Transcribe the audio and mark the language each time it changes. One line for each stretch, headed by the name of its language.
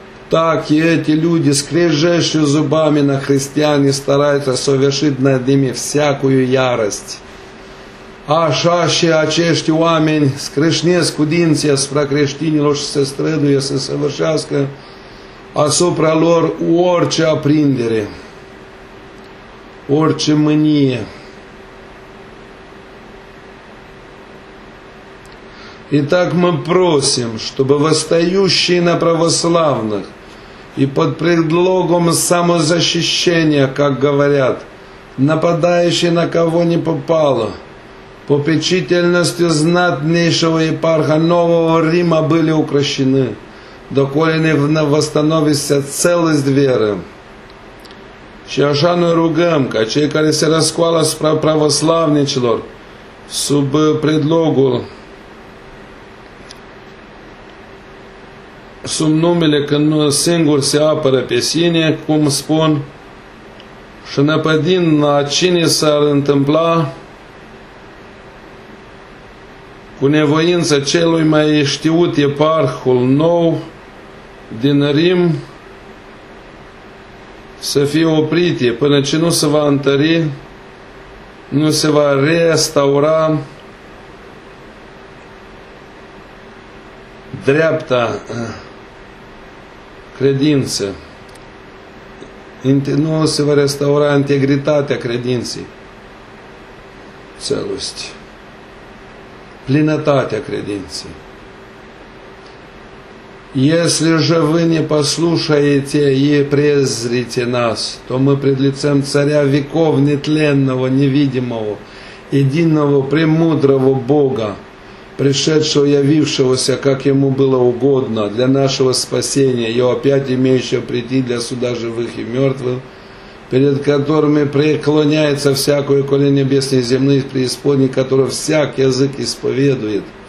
Russian: Так, и эти люди, скрежещущие зубами на христиан, стараются совершить над ними всякую ярость.
Romanian: Așa și acești oameni скрешнесc cu dinții asupra creștinilor și se străduie să săvârșească asupra lor orice aprindere, orice mânie.
Russian: Итак, мы просим, чтобы восстающие на православных и под предлогом самозащищения, как говорят, нападающие на кого не попало, попечительностью знатнейшего епарха Нового Рима были укрощены, доколе не восстановится целость веры.
Romanian: Și așa noi rugăm ca cei care se răscoală asupra pravoslavnicilor sub predlogul, sub numele că nu singur se apără pe sine, cum spun, și năpădind la cine s-ar întâmpla cu nevoință celui mai știut eparhul nou din Rim, să fie oprite până ce nu se va întări, nu se va restaura dreapta credință, nu se va restaura integritatea credinței, celosti, plinătatea credinței.
Russian: Если же вы не послушаете и презрите нас, то мы пред лицем Царя веков нетленного, невидимого, единого, премудрого Бога, пришедшего, явившегося, как Ему было угодно, для нашего спасения, и опять имеющего прийти для суда живых и мертвых, перед которыми преклоняется всякое колено небесное и земное, преисподней которого всяк язык исповедует.